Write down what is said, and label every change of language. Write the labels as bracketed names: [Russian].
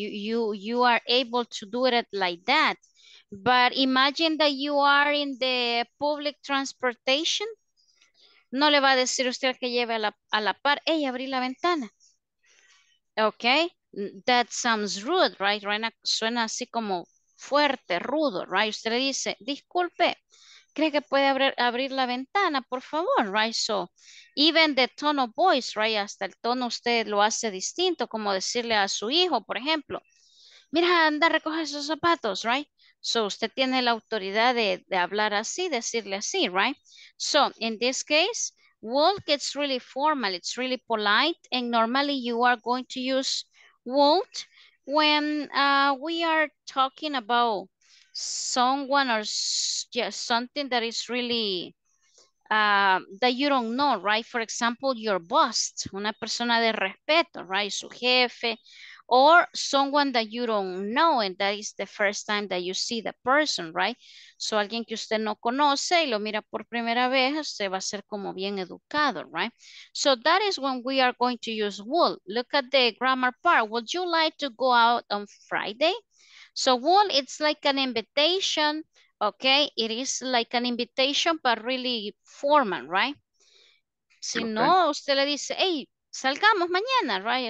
[English] You are able to do it like that. But imagine that you are in the public transportation. [Spanish] No le va a decir usted que lleve a la par, hey, abrí la ventana. Okay? [English] That sounds rude, right? [Spanish] Suena así como fuerte, rudo, [English] right? [Spanish] Usted le dice, disculpe, ¿cree que puede abrir la ventana, por favor, right? [English] So, even the tone of voice, right? [Spanish] Hasta el tono usted lo hace distinto, como decirle a su hijo, por ejemplo, mira, anda, recoge esos zapatos, right? So, usted tiene la autoridad de hablar así, decirle así, right? [English] So, in this case, will gets really formal, it's really polite, and normally you are going to use will when we are talking about someone or something that is really that you don't know, right? For example, your boss, [Spanish] una persona de respeto, [English] right? [Spanish] Su jefe, [English] or someone that you don't know, and that is the first time that you see the person, right? [Spanish] So, alguien que usted no conoce y lo mira por primera vez, usted va a ser como bien educado, right? [English] So, that is when we are going to use will. Look at the grammar part. Would you like to go out on Friday? So, will, it's like an invitation, okay? It is like an invitation, but really formal, right? [Spanish] Si okay. No, usted le dice, hey, salgamos mañana, right?